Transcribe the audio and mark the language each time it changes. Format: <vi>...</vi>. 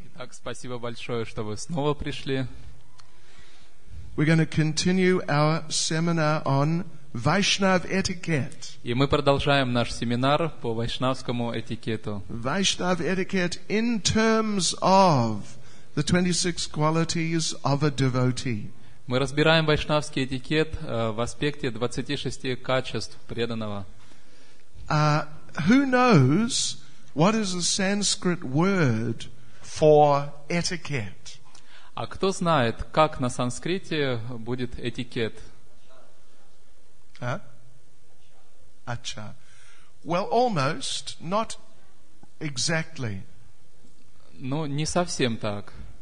<ru>Итак, спасибо большое, что вы снова пришли.</ru> <en>We're going to continue our seminar on Vaishnav etiquette.</en> <ru>И мы продолжаем наш семинар по вайшнавскому этикету.</ru> <en>Vaishnav etiquette in terms of the 26 qualities of a devotee.</en> <ru>Мы разбираем вайшнавский этикет в аспекте 26 качеств преданного.</ru> <en>Who knows what is a Sanskrit word for etiquette?</en> <ru>А кто знает, как на санскрите будет этикет?</ru> <en>Acha. Well, almost, not exactly.</en> <ru>Ну, не совсем так.</ru>